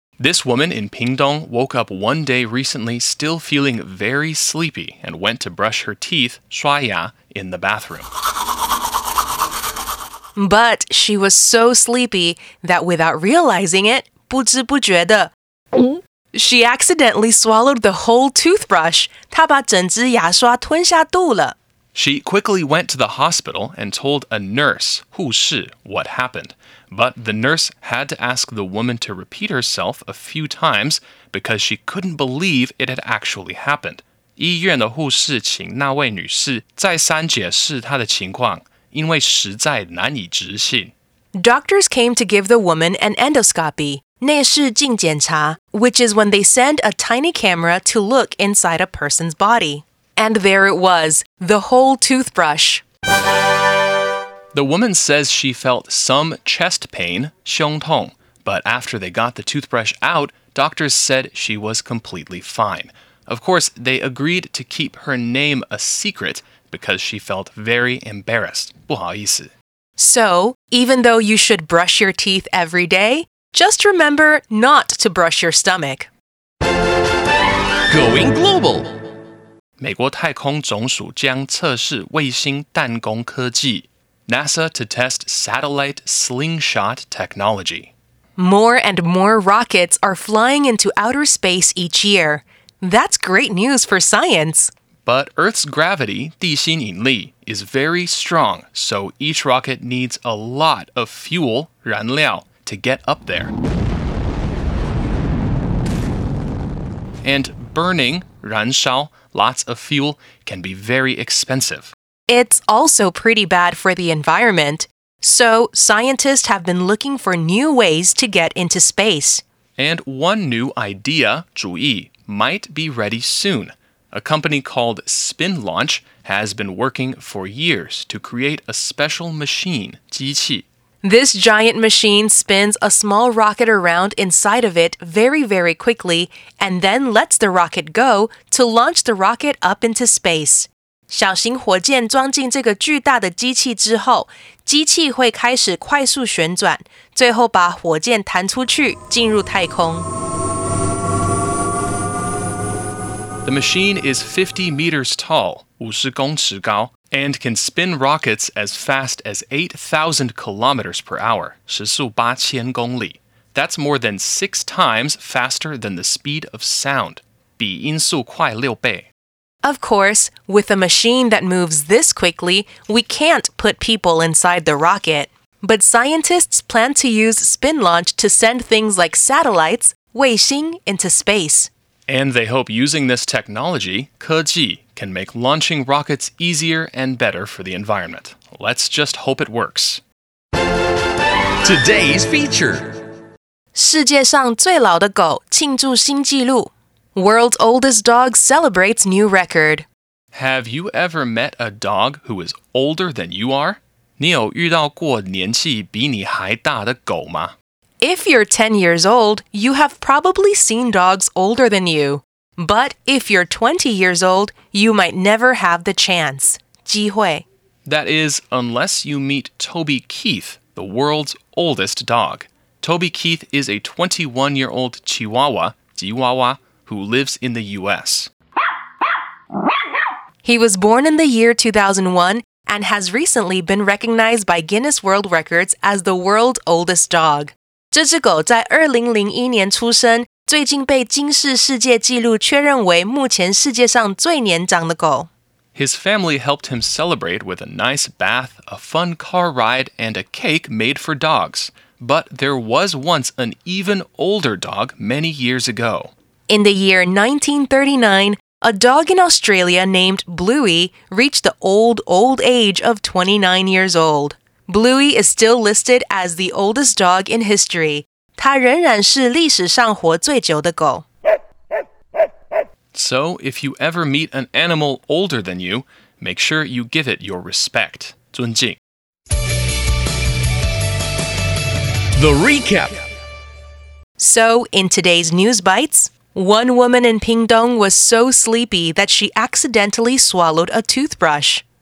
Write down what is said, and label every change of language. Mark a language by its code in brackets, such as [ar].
[en] This woman in Pingdong woke up one day recently still feeling very sleepy and went to brush her teeth, 刷牙, in the bathroom. But she was so sleepy that without realizing it, [zh] 不知不觉的, [en] she accidentally swallowed the whole toothbrush. [zh] 她把整只牙刷吞下肚了。 [en] She quickly went to the hospital and told a nurse, 护士, what happened. But the nurse had to ask the woman to repeat herself a few times because she couldn't believe it had actually happened. [zh] 医院的护士请那位女士再三解释她的情况,因为实在难以置信。 [en] Doctors came to give the woman an endoscopy, 内视镜检查, which is when they send a tiny camera to look inside a person's body. And there it was, the whole toothbrush. The woman says she felt some chest pain, 胸痛, but after they got the toothbrush out, doctors said she was completely fine. Of course, they agreed to keep her name a secret because she felt very embarrassed. [zh] 不好意思。 [en] So, even though you should brush your teeth every day, just remember not to brush your stomach. Going global! [zh] 美国太空总署将测试卫星弹弓科技 [en] NASA to test satellite slingshot technology. More and more rockets are flying into outer space each year. That's great news for science. But Earth's gravity, 地心引力, is very strong, so each rocket needs a lot of fuel, 燃料, to get up there. And burning, 燃烧,Lots of fuel can be very expensive. It's also pretty bad for the environment. So, scientists have been looking for new ways to get into space. And one new idea, 主意, might be ready soon. A company called Spin Launch has been working for years to create a special machine, 机器. This giant machine spins a small rocket around inside of it very, very quickly and then lets the rocket go to launch the rocket up into space. [zh] 小型火箭装进这个巨大的机器之后,机器会开始快速旋转,最后把火箭弹出去,进入太空。 [en] The machine is 50 meters tall, [zh] 50公尺高。 [en] And can spin rockets as fast as 8,000 kilometers per hour, [zh] 时速八千公里。 [en] That's more than 6 times faster than the speed of sound, [zh] 比音速快六倍。 [en] Of course, with a machine that moves this quickly, we can't put people inside the rocket. But scientists plan to use Spin Launch to send things like satellites, 卫星, into space. And they hope using this technology, 科技,can make launching rockets easier and better for the environment. Let's just hope it works. Today's feature. [zh] 世界上最老的狗庆祝新纪录。 [en] World's oldest dog celebrates new record. Have you ever met a dog who is older than you are? [zh] 你有遇到过年纪比你还大的狗吗? [en] If you're 10 years old, you have probably seen dogs older than you. But if you're 20 years old, you might never have the chance. [zh] 机会. [en] That is, unless you meet Toby Keith, the world's oldest dog. Toby Keith is a 21-year-old Chihuahua, 吉娃娃, who lives in the U.S. He was born in the year 2001 and has recently been recognized by Guinness World Records as the world's oldest dog. [zh] 这只狗在2001年出生，最近被金氏世界纪录确认为目前世界上最年长的狗。 [en] His family helped him celebrate with a nice bath, a fun car ride, and a cake made for dogs. But there was once an even older dog many years ago. In the year 1939, a dog in Australia named Bluey reached the old age of 29 years old. Bluey is still listed as the oldest dog in history. [zh] 它仍然是历史上活最久的狗。 [en] So, if you ever meet an animal older than you, make sure you give it your respect. [zh] 尊敬。 [en] The recap. So, in today's News Bites, one woman in Pingdong was so sleepy that she accidentally swallowed a toothbrush.